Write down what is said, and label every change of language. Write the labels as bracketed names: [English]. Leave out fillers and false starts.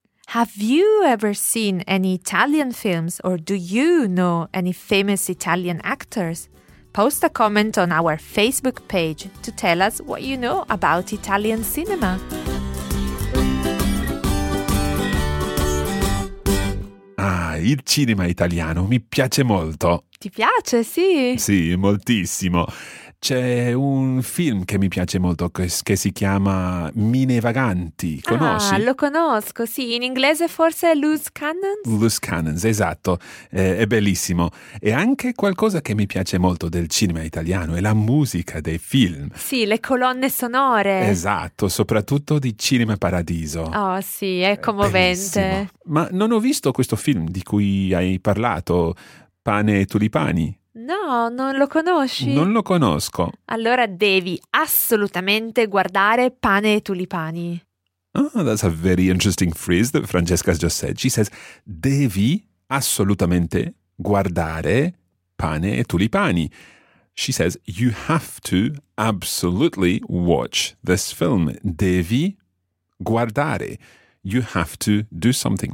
[English] Have you ever seen any Italian films, or do you know any famous Italian actors? Post a comment on our Facebook page to tell us what you know about Italian cinema. [Italian] Ah, il cinema italiano mi piace molto. Ti piace, sì? Sì, moltissimo. C'è un film che mi piace molto che si chiama Mine Vaganti. Conosci? Ah, lo conosco, sì. In inglese forse è Loose Cannons? Loose Cannons, esatto. È bellissimo. E anche qualcosa che mi piace molto del cinema italiano è la musica dei film. Sì, le colonne sonore. Esatto, soprattutto di Cinema Paradiso. Oh sì, è commovente. Bellissimo. Ma non ho visto questo film di cui hai parlato, Pane e Tulipani. No, non lo conosci? Non lo conosco. Allora devi assolutamente guardare Pane e Tulipani. [English] Oh, that's a very interesting phrase that Francesca has just said. She says, [Italian] devi assolutamente guardare Pane e Tulipani. [English] She says, you have to absolutely watch this film. [Italian] Devi guardare. [English] You have to do something.